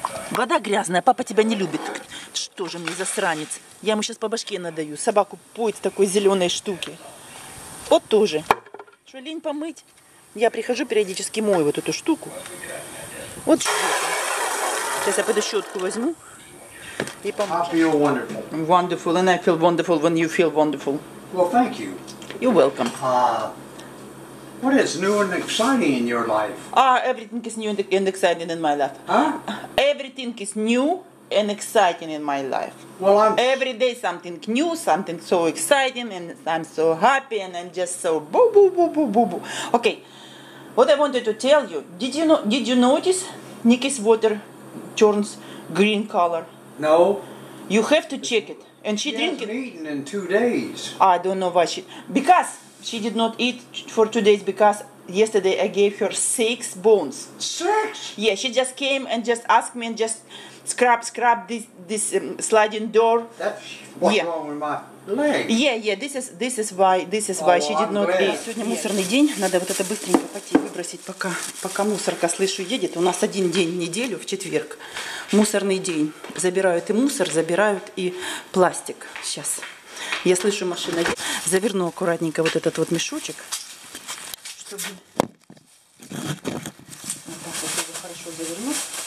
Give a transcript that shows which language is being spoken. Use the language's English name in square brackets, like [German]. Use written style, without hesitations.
[Russian] Вода грязная, папа тебя не любит. Что же мне за сранец? Я ему сейчас по башке надаю. Собаку поить такой зеленой штуки. Вот тоже. Что, лень помыть? Я прихожу, периодически мою вот эту штуку. Вот штука. Сейчас я пойду щетку возьму. И помою. [English] Папа, you're wonderful. Wonderful, and I feel wonderful when you feel wonderful. Well, thank you. You're welcome. What is new and exciting in your life? Ah, everything is new and exciting in my life. Huh? Everything is new and exciting in my life. Well, I'm... Every day something new, something so exciting, and I'm so happy, and I'm just so boo, boo, boo, boo, boo, boo. Okay, what I wanted to tell you, did you notice Nikki's water turns green color? No. You have to check it. And she drinks it. She hasn't eaten in 2 days. I don't know why she... Because... She did not eat for 2 days because yesterday I gave her 6 bones. 6? Yeah, she just came and just asked me and just scrub this sliding door. What's wrong with my leg? Yeah, this is why she did not eat. [Russian] Сегодня мусорный день, надо вот это быстренько пойти выбросить, пока мусорка, слышу, едет. У нас один день в неделю, в четверг, мусорный день. Забирают и мусор, забирают и пластик. Сейчас. Я слышу, машина. Заверну аккуратненько вот этот вот мешочек, чтобы вот так вот его хорошо завернуть.